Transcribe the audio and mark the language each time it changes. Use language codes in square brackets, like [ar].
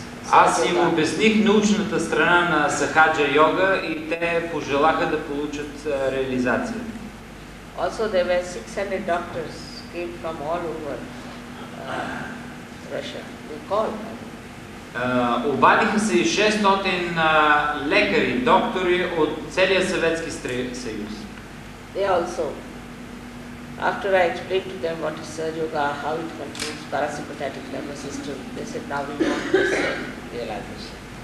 [bg] Аз им обясних научната страна на Сахаджа йога и те пожелаха да получат реализация. [en] Also there were 600 doctors came from all over Russia. They called. [bg] Обадиха се и 600 лекари, доктори от целия Съветски съюз. [en] They also, after I explained to them what is Surge Yoga, how it controls parasympathetic nervous system, they said now we want this realization.